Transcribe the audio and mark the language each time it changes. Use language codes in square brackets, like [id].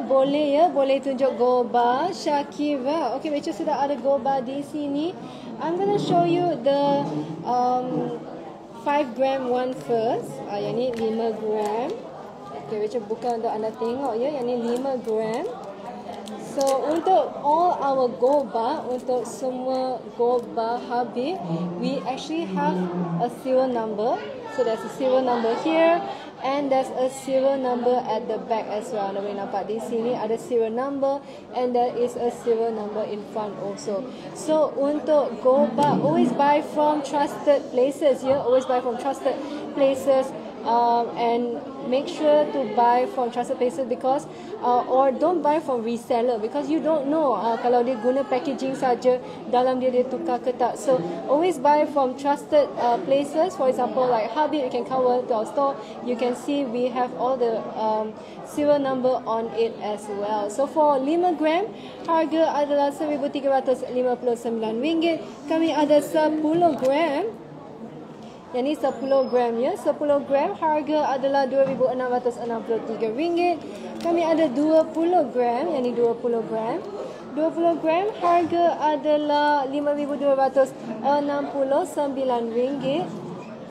[ms] Boleh ya, boleh tunjuk gold bar Shakira. Okay, Rachel sudah ada gold bar di sini. [en] I'm going to show you the 5 gram one first. [ms] Yang ni 5 gram. Okay, Rachel, buka untuk anda tengok ya. Yang ni 5 gram. [en] So, [ms] untuk [en] all our gold bar, [ms] untuk semua [en] gold bar Habib, we actually have a serial number. So, there's a serial number here. And there's a serial number at the back as well. [ms] Anda boleh nampak di sini ada serial number. [en] And there is a serial number in front also. So, [ms] untuk [en] gold bar, always buy from trusted places. Yeah, always buy from trusted places. And make sure to buy from trusted places, because or don't buy from reseller, because you don't know [ms] kalau dia guna packaging saja dalam dia tukar ke tak. [en] So always buy from trusted places. For example, like Habib, you can come to our store, you can see we have all the serial number on it as well. So for [ms] 5 gram, harga adalah RM1,359. Kami ada 10 gram. Yang ni 10 gram ya. 10 gram harga adalah RM2,663. Kami ada 20 gram. Yang ni 20 gram. 20 gram harga adalah RM5,269.